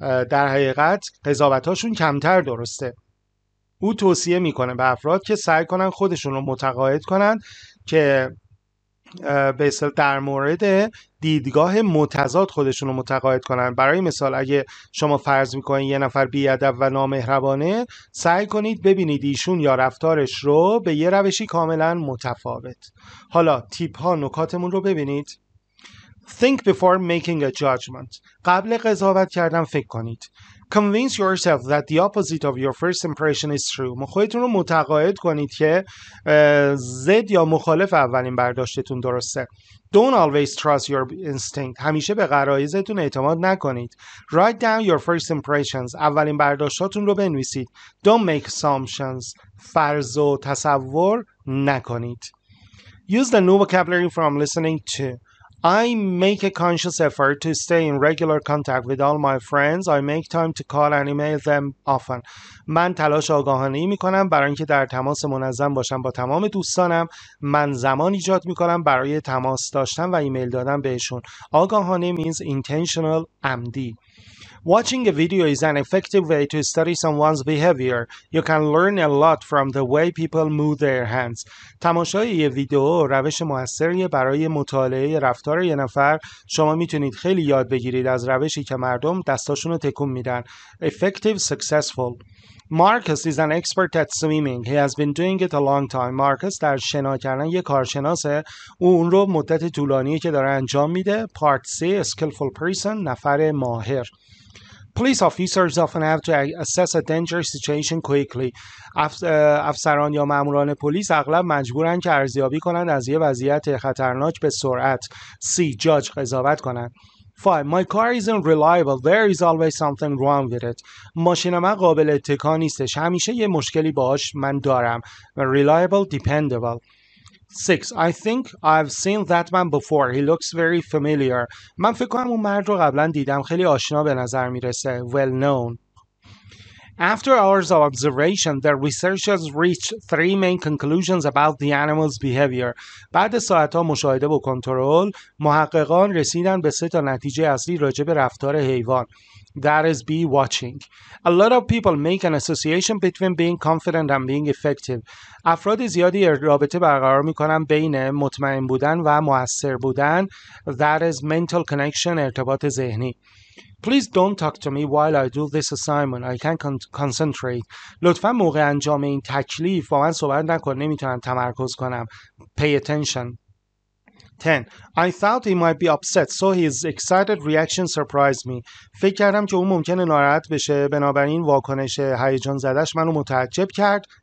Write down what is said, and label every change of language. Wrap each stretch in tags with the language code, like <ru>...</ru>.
<fa>در حقیقت قضاوتاشون کمتر درسته. او توصیه میکنه به افراد که سعی کنن خودشون رو متقاعد کنن که به اصطلاح در مورد دیدگاه متضاد خودشون رو متقاعد کنن. برای مثال اگه شما فرض میکنید یه نفر بی‌ادب و نامهربانه، سعی کنید ببینید ایشون یا رفتارش رو به یه روشی کاملا متفاوت. حالا تیپ ها نکاتمون رو ببینید.</fa> <en>Think before making a judgment.</en> <fa>قبل قضاوت کردن فکر کنید.</fa> <en>Convince yourself that the opposite of your first impression is true.</en> <fa>خودتون رو متقاعد کنید که ضد یا مخالف اولین برداشتتون درسته.</fa> <en>Don't always trust your instinct.</en> <fa>همیشه به غرایزتون اعتماد نکنید.</fa> <en>Write down your first impressions.</en> <fa>اولین برداشتاتون رو بنویسید.</fa> <en>Don't make assumptions.</en> <fa>فرض و تصور نکنید.</fa> <en>Use the new vocabulary from listening to. I make a conscious effort to stay in regular contact with all my friends. I make time to call and email them often.</en> <fa>من تلاش آگاهانه‌ای می‌کنم برای اینکه در تماس منظم باشم با تمام دوستانم. من زمان ایجاد می‌کنم برای تماس داشتن و ایمیل دادن بهشون.</fa> <en>آگاهانه means intentional, عمدی. Watching a video is an effective way to study someone's behavior. You can learn a lot from the way people move their hands.</en> <fa>تماشای یه ویدیو روش موثری برای مطالعه رفتار یه نفر. شما میتونید خیلی یاد بگیرید از روشی که مردم دستاشون رو تکون میدن.</fa> <en>Effective, successful. Marcus is an expert at swimming. He has been doing it a long time.</en> <fa>Marcus در شنا کردن یه کارشناسه. اون رو مدت طولانی که داره انجام میده.</fa> <en>Part C, a skillful person,</en> <fa>نفر ماهر.</fa> <en>Police officers often have to assess a dangerous situation quickly.</en> <fa>افسران یا ماموران پلیس اغلب مجبورن که ارزیابی کنند از یه وضعیت خطرناک به سرعت.</fa> <en>C, judge,</en> <fa>قضاوت کنند.</fa> <en>5. My car isn't reliable. There is always something wrong with it.</en> <fa>ماشین من قابل اتکا نیستش. همیشه یه مشکلی باهاش من دارم.</fa> <en>Reliable, dependable. 6. I think I've seen that man before. He looks very familiar.</en> <fa>من فکر کنم اون مرد رو قبلا دیدم. خیلی آشنا به نظر میرسه.</fa> <en>Well known. After hours of observation, the researchers reached three main conclusions about the animal's behavior.</en> <fa>بعد ساعت‌ها مشاهده و کنترل، محققان رسیدن به سه تا نتیجه اصلی راجع به رفتار حیوان.</fa> <en>That is be watching. A lot of people make an association between being confident and being effective.</en> <fa>افراد زیادی رابطه برقرار میکنن بین مطمئن بودن و مؤثر بودن.</fa> <en>That is mental connection,</en> <fa>ارتباط ذهنی.</fa> <en>Please don't talk to me while I do this assignment. I can't concentrate.</en> <fa>لطفا موقع انجام این تکلیف با من صحبت نکن. نمیتونم تمرکز کنم.</fa> <en>Pay attention.</en> <fa>10.</fa> <en>I thought he might be upset, so his excited reaction surprised me.</en> <fa>فکر کردم که اون ممکنه ناراحت بشه. بنابراین واکنش هیجان زدهش منو متعجب کرد.</fa>